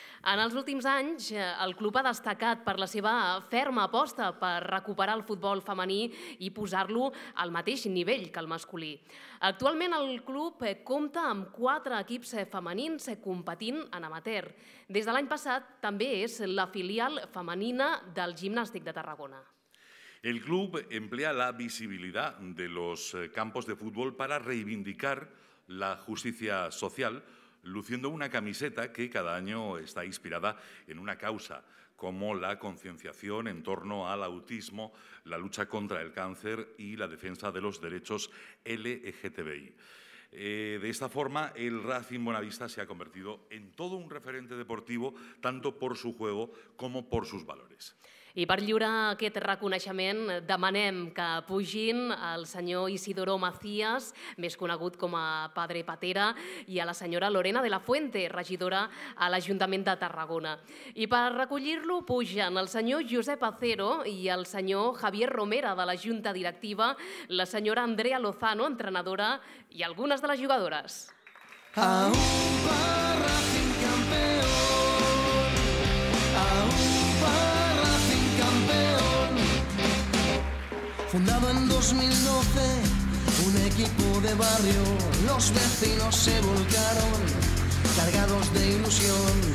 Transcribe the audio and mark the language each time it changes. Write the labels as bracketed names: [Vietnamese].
[Catalan] En els últims anys, el club ha destacat per la seva ferma aposta per recuperar el futbol femení i posar-lo al mateix nivell que el masculí. Actualment, el club compta amb 4 equips femenins competint en amateur. Des de l'any passat, també és la filial femenina del Gimnàstic de Tarragona. [Spanish] El club emplea la visibilidad de los campos de fútbol para reivindicar la justicia social, luciendo una camiseta que cada año está inspirada en una causa, como la concienciación en torno al autismo, la lucha contra el cáncer y la defensa de los derechos LGTBI. De esta forma, el Racing Bonavista se ha convertido en todo un referente deportivo, tanto por su juego como por sus valores. [Catalan] I per lliurar aquest reconeixement, demanem que pugin el senyor Isidoro Macías, més conegut com a Padre Patera, i a la senyora Lorena de la Fuente, regidora a l'Ajuntament de Tarragona. I per recollir-lo pugen el senyor Josep Acero i el senyor Javier Romera, de la Junta Directiva, la senyora Andrea Lozano, entrenadora, i algunes de les jugadores. [Spanish] A un Racing campeón, a un Racing campeón. Fundado en 2012, un equipo de barrio, los vecinos se volcaron, cargados de ilusión.